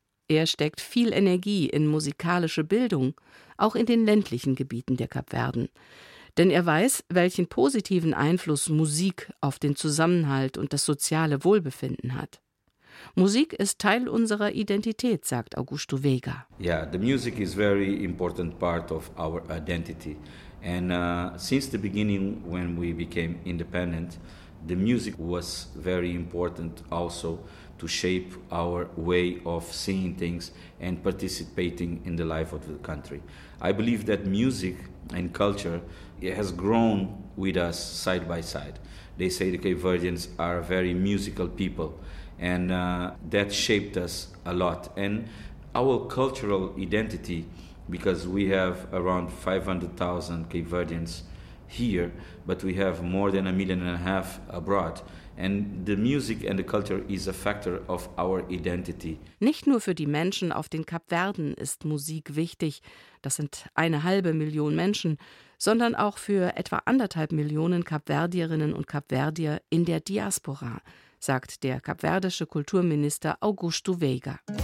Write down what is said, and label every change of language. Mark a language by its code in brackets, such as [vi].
[de] Er steckt viel Energie in musikalische Bildung, auch in den ländlichen Gebieten der Kapverden. Denn er weiß, welchen positiven Einfluss Musik auf den Zusammenhalt und das soziale Wohlbefinden hat. Musik ist Teil unserer Identität, sagt Augusto Veiga. [en] Yeah, the music is very important part of our identity. And since the beginning when we became independent, the music was very important also to shape our way of seeing things and participating in the life of the country. I believe that music and culture, it has grown with us side by side. They say the Cape Verdeans are very musical people. And that shaped us a lot. And our cultural identity, because we have around 500,000 Cape Verdeans here, but we have more than 1.5 million abroad. And the music and the culture is a factor of our identity. [de] Nicht nur für die Menschen auf den Kapverden ist Musik wichtig, das sind 500,000 Menschen, sondern auch für etwa 1,5 Millionen Kapverdierinnen und Kapverdier in der Diaspora, sagt der kapverdische Kulturminister Augusto Veiga.